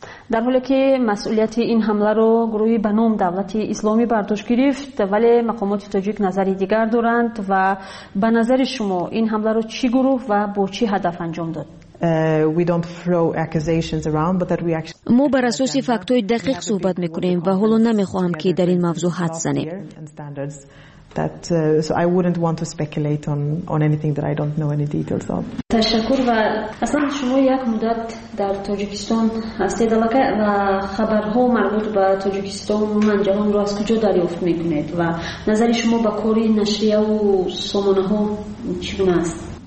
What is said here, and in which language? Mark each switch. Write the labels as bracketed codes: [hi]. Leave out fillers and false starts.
[fa] در حالی که مسئولیت این حمله را گروهی به نام دولت اسلامی برداشت گرفت، ولی مقامات تاجیک نظری دیگر دارند و به نظر شما این حمله را چی گروه و با چی هدف انجام داد؟ ما بر اساس فکت‌های دقیق صحبت میکنیم و حالا نمیخواهم که در این موضوع حد زنیم. [en] I wouldn't want to speculate on anything that I don't know any details of. [fa] تشکر. و اصلا شما یک مدت در تاجیکستان هستید و خبرها مربوط به تاجیکستان و جهان رو از کجا دریافت میکنید و نظر شما به کاری نشریه و سامانه ها چگونه است؟